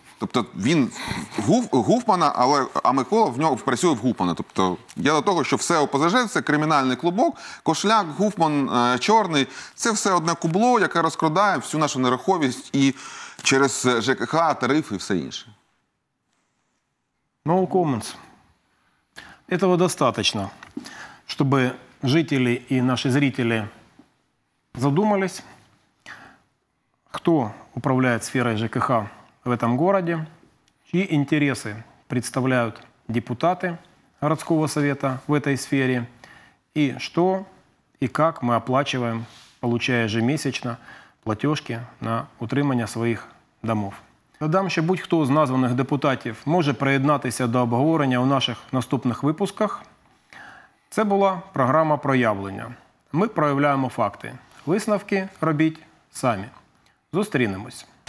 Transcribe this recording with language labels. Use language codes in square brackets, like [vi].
[uk] Тобто він Гуфмана, а Микола в нього працює в Гуфмана. Тобто я до того, що все ОПЗЖ – це кримінальний клубок. Кошляк, Гуфман, Чорний – це все одне кубло, яке розкрадає всю нашу нереховість і через ЖКХ, тарифи і все інше. [en] No comments. [ru] Этого достаточно, [uk] щоб жителі і наші [ru] зрителі задумались, хто управляє сферою ЖКХ в этом городе, чьи интересы представляют депутаты городского совета в этой сфере, и что и как мы оплачиваем, получая ежемесячно платежки [uk] на утримання [ru] своих домов. [uk] Дам ще будь-хто з названих депутатів може приєднатися до обговорення у наших наступних випусках. Це була програма «Проявлення». Ми проявляємо факти. Висновки робіть самі. Зустрінемось.